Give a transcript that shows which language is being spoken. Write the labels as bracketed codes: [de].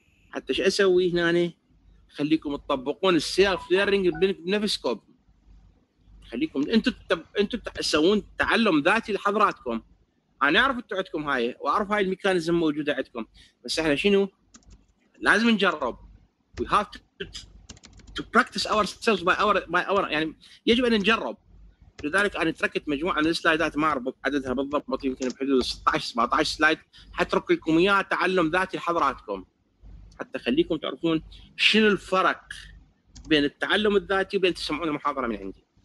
[ar] حتى شو أسوي هنا؟ خليكم تطبقون السيلف ليرنينج بنفسكم، خليكم أنتوا تسوون تعلم ذاتي لحضراتكم. أنا أعرف أنتوا عندكم هاي، وأعرف هاي الميكانيزم موجودة عندكم، بس إحنا شنو لازم نجرب. [en] We have to practice ourselves by our [ar] يعني يجب ان نجرب. لذلك انا تركت مجموعه من السلايدات ما اعرف عددها بالضبط، يمكن بحدود 16 17 سلايد، حترك لكم اياها تعلم ذاتي لحضراتكم حتى خليكم تعرفون شنو الفرق بين التعلم الذاتي وبين تسمعون المحاضره من عندي.